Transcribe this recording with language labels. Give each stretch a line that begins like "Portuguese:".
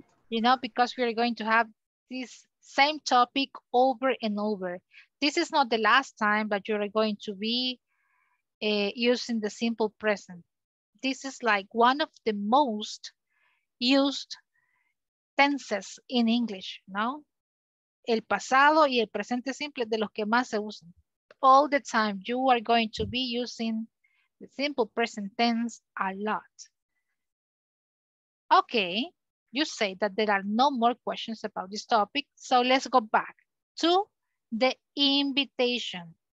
English: You know, because we are going to have this same topic over and over. This is not the last time that you're going to be using the simple present. This is like one of the most used tenses in English, no?
Spanish: El pasado y el presente simple de los que más se usan.
English: All the time you are going to be using the simple present tense a lot. Okay, you say that there are no more questions about this topic. So let's go back to the invitation.